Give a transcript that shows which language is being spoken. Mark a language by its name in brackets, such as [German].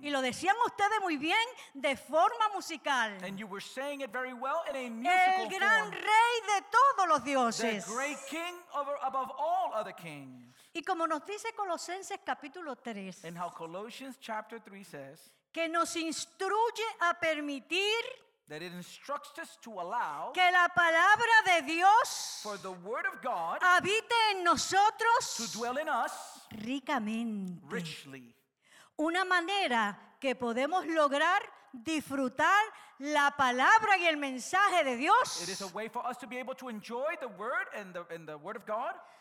[Spanish] Y lo decían ustedes muy bien de forma musical. [English] And you were saying it very well in a musical form. [Spanish] El gran [English] form. [Spanish] Rey de todos los dioses. [English] The great king over, above all other kings. [Spanish] Y como nos dice Colosenses capítulo 3. [English] And how Colossians chapter 3 says. [Spanish] Que nos instruye a permitir [English] that it instructs us to allow [Spanish] que la palabra de Dios [English] for the word of God [Spanish] habite en nosotros [English] to dwell in us [Spanish] ricamente. [English] Richly. [Spanish] Una manera que podemos lograr disfrutar la palabra y el mensaje de Dios [English] it is a way for us to be able to enjoy the word and the word of God